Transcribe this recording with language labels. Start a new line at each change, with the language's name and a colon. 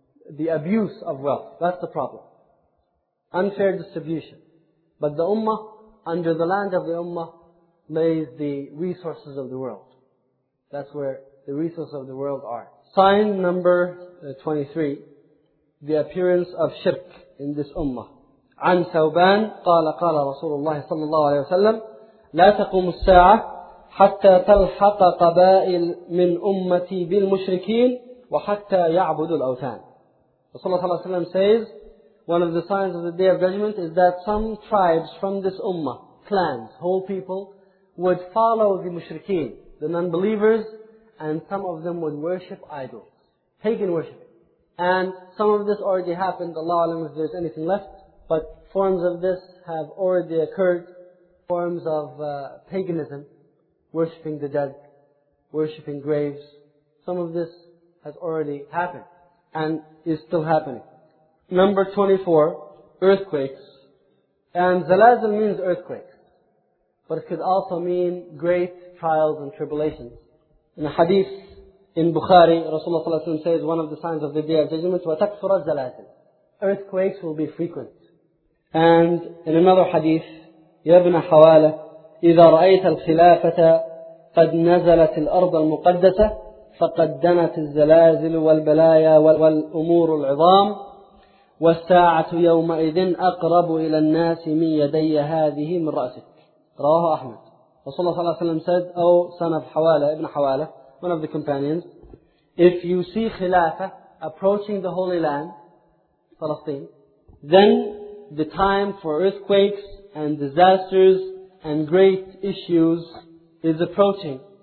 English: The abuse of wealth, that's the problem. Unfair distribution. But the ummah, under the land of the ummah, lays the resources of the world. That's where the resources of the world are. Sign number 23, the appearance of shirk in this ummah.
Arabic: عن ثوبان قال قال رسول الله صلى الله عليه وسلم لا تقوم الساعة حتى تلحق قبائل من أمتي بالمشركين وحتى يعبدوا الأوثان. رسول الله صلى الله عليه وسلم
English: says, one of the signs of the day of judgment is that some tribes from this ummah, clans, whole people, would follow the mushrikeen, the non-believers, and some of them would worship idols, pagan worship. And some of this already happened. Allah alam if there's anything left. But forms of this have already occurred, forms of paganism, worshipping the dead, worshipping graves. Some of this has already happened and is still happening. Number 24, earthquakes. And zalazil means earthquakes, but it could also mean great trials and tribulations. In a hadith in Bukhari, Rasulullah ﷺ says one of the signs of the day of judgment,
Arabic: وَتَكْفُرَ الزَّلَازِلِ.
English: Earthquakes will be frequent. And in another hadith,
Arabic: يَا بْنَ حَوَالَةَ إِذَا رَأَيْتَ الْخِلَافَةَ قَدْ نَزَلَتِ الْأَرْضَ الْمُقَدَّسَةَ فَقَدْ دَنَتِ الزَّلَازِلُ وَالْبَلَايَا وَالْأُمُورُ الْعِظَامُ وَالسَّاعَةُ يَوْمَئِذٍ أَقْرَبُ إِلَى النَّاسِ مِنْ يَدَيَّ هَذِهِ مِنْ رَأْسِكَ. رواه أحمد.
English: Rasulullah
Arabic: صلى الله عليه وسلم
English: said, oh son of Hawala, Ibn Hawala, one of the companions, if you see Khilafah approaching the Holy Land, Palestine, then the time for earthquakes and disasters and great issues is approaching.